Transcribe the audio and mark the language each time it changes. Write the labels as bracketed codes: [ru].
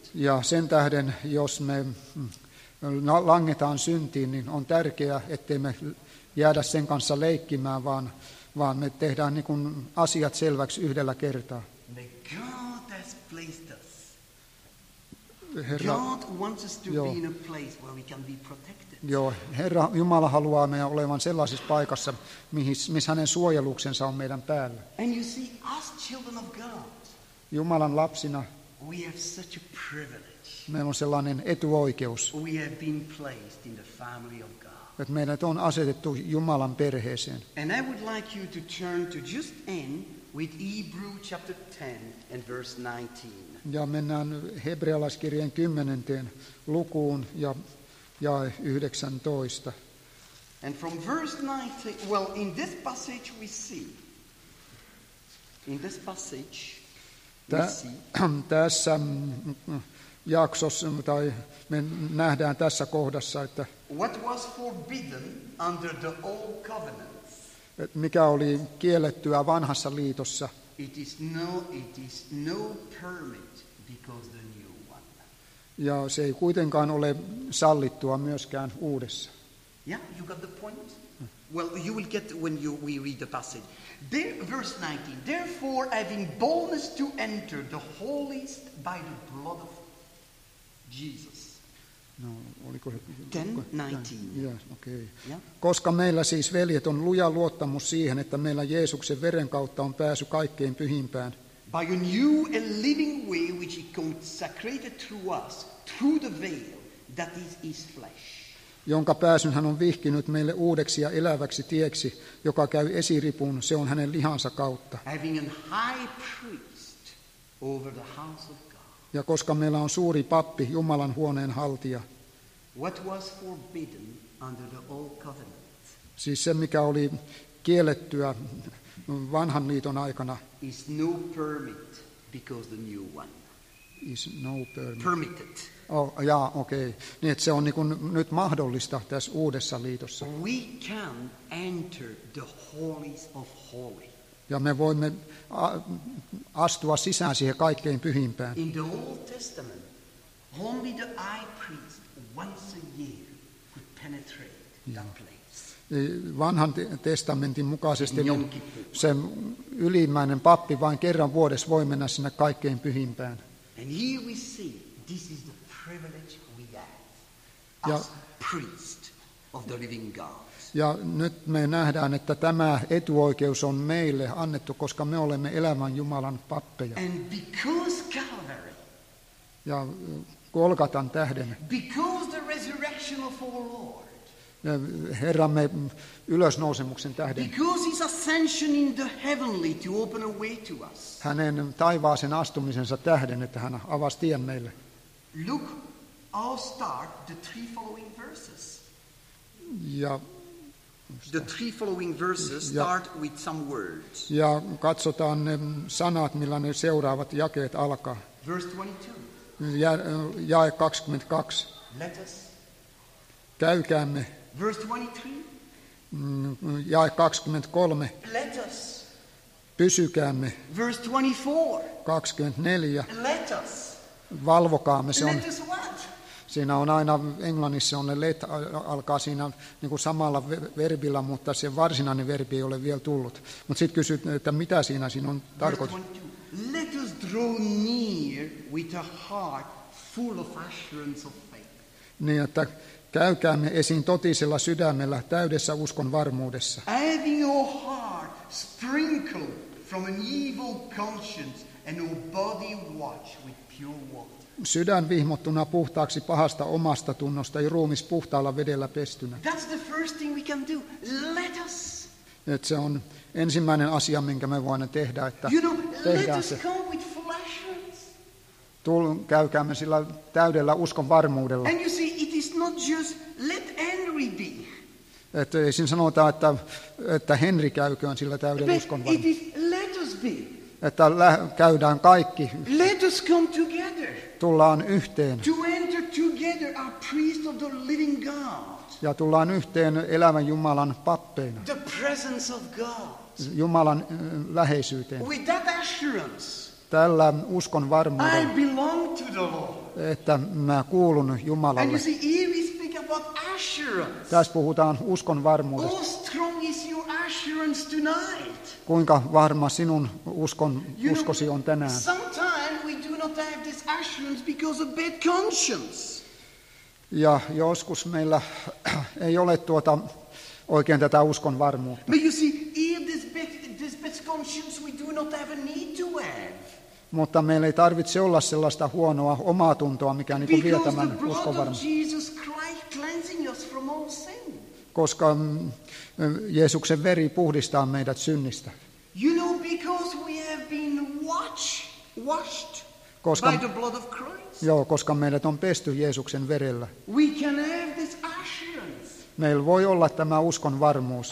[fi] Ja sen tähden, jos me langetaan syntiin, niin on tärkeää, ettei me jäädä sen kanssa leikkimään, vaan me tehdään niin kuin asiat selväksi yhdellä kertaa. [en] God has placed us. Herra, God wants us to be in a place where we can be protected. [fi] Joo, Herra Jumala haluaa meidän olevan sellaisessa paikassa, missä hänen suojeluksensa on meidän päällä. [en] And you see, us children of God, [fi] Jumalan lapsina, [en] we have such a privilege. [fi] Meillä on sellainen etuoikeus. [en] We have been placed in the family of God. [fi] Että meidät on asetettu Jumalan perheeseen. [en] And I would like you to turn to just end with Hebrews chapter 10 and verse 19. [fi] Ja mennään hebrealaiskirjeen 10. lukuun ja 19. [en] And from verse 19, well, in this passage we see. In this passage we see. [fi] Tässä jaksossa, tai me nähdään tässä kohdassa, että [en] what was forbidden under the old covenant, [fi] mikä oli kiellettyä vanhassa liitossa, [en] it is no permit because the new one. [fi] Ja se ei kuitenkaan ole sallittua myöskään uudessa. [en] Yeah, you got the point? Well, you will get when we read the passage. There, verse 19, therefore having boldness to enter the holiest by the blood of Jesus. [fi] No, oliko se 10:19. [en] Yes, okay. Yeah. [fi] Koska meillä siis veljet on luja luottamus siihen, että meillä Jeesuksen veren kautta on pääsy kaikkein pyhimpään. [en] By a new and living way which he consecrated through us through the veil that is his flesh. [fi] Jonka pääsyn hän on vihkinyt meille uudeksi ja eläväksi tieksi, joka käy esiripun, se on hänen lihansa kautta. [en] Having a high priest over the house of. [fi] Ja koska meillä on suuri pappi, Jumalan huoneen haltija. [en] What was forbidden under the old covenant? [fi] Siis se, mikä oli kiellettyä vanhan liiton aikana. [en] Is no permit because the new one. Is no permit. Permitted. Oh, jaa, okei. Okay. [fi] Niin, että se on niin kuin nyt mahdollista tässä uudessa liitossa. [en] We can enter the holiest of holies. [fi] Ja me voimme astua sisään siihen kaikkein pyhimpään. [en] In the Old Testament, only the high priest once a year could penetrate that place. [fi] Vanhan testamentin mukaisesti se ylimmäinen pappi vain kerran vuodessa voi mennä sinne kaikkein pyhimpään. [en] And here we see, this is the privilege we have. As priest of the living God. [fi] Ja nyt me nähdään, että tämä etuoikeus on meille annettu, koska me olemme elävän Jumalan pappeja. [en] And because Calvary, [fi] ja Golgatan tähden, [en] because the resurrection of our Lord, [fi] Herramme ylösnousemuksen tähden. [en] Because his ascension in the heavenly to open a way to us. [fi] Hänen taivaaseen astumisensa tähden, että hän avasi tien meille. [en] Look, I'll start the three following verses. [fi] Ja [en] the three following verses start with some words. [fi] Ja katsotaan ne sanat, millä ne seuraavat jakeet alkaa. [en] Verse 22. [fi] Jae 22. [en] Let us. [fi] Käykäämme. [en] Verse 23. [fi] Jae 23. [en] Let us. [fi] Pysykäämme. [en] Verse 24. [fi] 24. [en] Let us. [fi] Valvokaamme. Se [en] let [fi] on. [en] Us what? [fi] Siinä on aina englannissa on ne let alkaa siinä niin kuin samalla verbillä, mutta se varsinainen verbi ei ole vielä tullut. Mutta sitten kysyt, että mitä siinä on tarkoitus. [en] Let us draw near with a heart full of assurance of faith. [fi] Niin, että käykäämme esiin totisella sydämellä täydessä uskon varmuudessa. [en] Having your heart sprinkled from an evil conscience and your body washed with pure water. [fi] Sydän vihmottuna puhtaaksi pahasta omasta tunnosta ja ruumis puhtaalla vedellä pestynä. [en] That's the first thing we can do. Let us. [fi] Et se on ensimmäinen asia, minkä me voimme tehdä, että [en] you know, [fi] tehdään [en] let us [fi] se. [en] Come with full assurance. [fi] Käykäämme sillä täydellä uskon varmuudella. [en] And you see, it is not just let Henry be. [fi] Et ei siinä sanota, että Henry käyköön sillä täydellä [en] but [fi] uskon varmuudella. [en] It is let us be. [fi] Että käydään kaikki. [en] Let us come together. [fi] Tullaan yhteen. [en] To enter together our priest of the living God. [fi] Ja tullaan yhteen elävän Jumalan pappeina. [en] The presence of God. [fi] Jumalan läheisyyteen. [en] With that assurance. [fi] Tällä uskon varmuudella. [en] I belong to the Lord. [fi] Että mä kuulun Jumalalle. [en] And you see, here we speak about assurance. [fi] Tässä puhutaan uskon varmuudesta. [en] How strong is your assurance tonight? [fi] Kuinka varma sinun uskosi on tänään? [en] Sometimes we do not have this assurance because of bad conscience. [fi] Ja joskus meillä ei ole oikein tätä uskon varmuutta. [en] But you see, if this bad conscience we do not have a need to have. [fi] Mutta meillä ei tarvitse olla sellaista huonoa omaa tuntoa, mikä niin kuin vie tämän uskon varmuutta. Koska Jeesuksen veri puhdistaa meidät synnistä. [en] You know, because we have been washed by the blood of Christ. [fi] Joo, koska meidät on pesty Jeesuksen verellä. [en] We can have this assurance. [fi] Meillä voi olla tämä uskon varmuus.